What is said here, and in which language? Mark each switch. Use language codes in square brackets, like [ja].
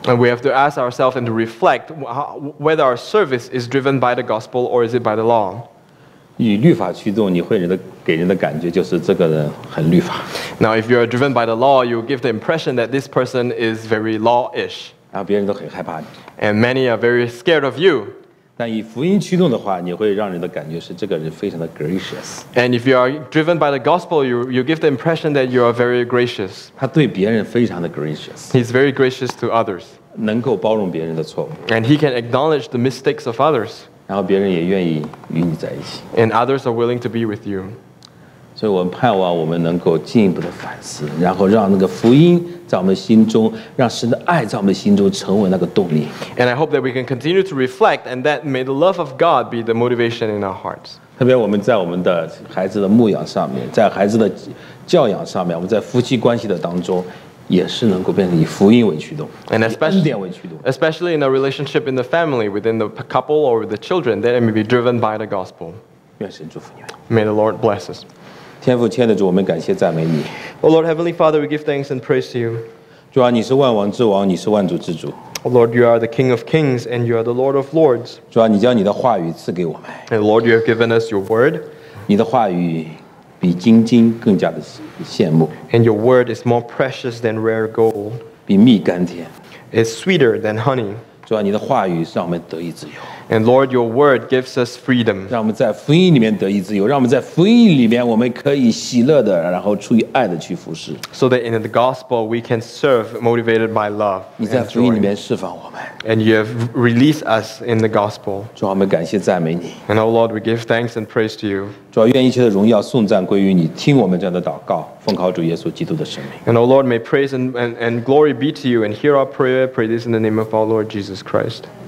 [en] ？And we have to ask ourselves and to reflect whether our service is driven by the gospel or is it by the law. [zh] 与律法驱动，你会给人的感觉就是这个人很律法。 [en] Now, if you are driven by the law, you give the impression that this person is very law-ish. [zh] 然后别人都很害怕你。 [en] And many are very scared of you. [zh] 但以福音驱动的话，你会让人的感觉是这个人非常的 gracious。 [en] And if you are driven by the gospel, you give the impression that you are very gracious. [zh] 他对别人非常的 gracious. [en] He's very gracious to others. [zh] 能够包容别人的错误。 [en] And he can acknowledge the mistakes of others. [zh] 然后别人也愿意与你在一起。 [en] And others are willing to be with you. [zh] 所以我们盼望我们能够进一步的反思，然后让那个福音。在我们心中，让神的爱在我们心中成为那个动力。 [en] And I hope that we can continue to reflect, and that may the love of God be the motivation in our hearts. [zh] 特别我们在我们的孩子的牧养上面，在孩子的教养上面，我们在夫妻关系的当中，也是能够变成以福音为驱动， [en] and especially, [zh] 以恩典为驱动。 [en] Especially in a relationship in the family, within the couple or with the children, that it may be driven by the gospel. [zh] 愿神祝福你。 [en] May the Lord bless us. [zh] 天父，亲爱的主，我们感谢赞美你。 [en] O Lord, Heavenly Father, we give thanks and praise to you. [zh] 主啊，你是万王之王，你是万主之主。 [en] O Lord, you are the King of Kings and you are the Lord of Lords. [zh] 主啊，你将你的话语赐给我们。 [en] And Lord, you have given us your word. [zh] 你的话语比金金更加的羡慕。 [en] And your word is more precious than rare gold. [zh] 比蜜甘甜。 [en] It's sweeter than honey. [zh] 主啊，你的话语让我们得以自由。 [en] And Lord, your word gives us freedom. [zh] 让我们在福音里面得以自由，让我们在福音里面我们可以喜乐的，然后出于爱的去服事。 [en] So that in the gospel we can serve motivated by love. [zh] 你在福音里面释放我们。 [en] And you have released us in the gospel. [zh] 主啊，我们感谢赞美你。 [en] And O Lord, we give thanks and praise to you. [zh] 主啊，愿一切的荣耀颂赞归于你。听我们这样的祷告，奉靠主耶稣基督的圣名。 [en] And O Lord, may praise and glory be to you. And hear our prayer. Pray this in the name of our Lord Jesus Christ.